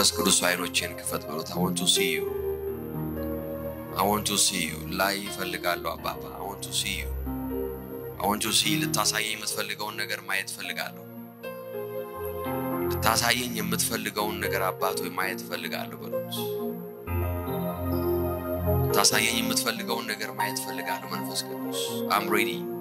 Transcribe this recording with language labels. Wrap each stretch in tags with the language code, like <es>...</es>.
<am>መንፈስ ቅዱስ አይኖችን ክፈት ብሎታ</am> <en>I want to see you. I want to see you.</en> <am>ላይ ፈልጋለሁ አባባ</am> <en>I want to see you. I want to see</en> <am>ልታሳየኝ የምትፈልገውን ነገር ማየት ፈልጋለሁ. ልታሳየኝ የምትፈልገውን ነገር አባቶ ማየት ፈልጋለሁ ብሎት. ልታሳየኝ የምትፈልገውን ነገር ማየት ፈልጋለሁ መንፈስ ቅዱስ.</am> <en>I'm ready.</en>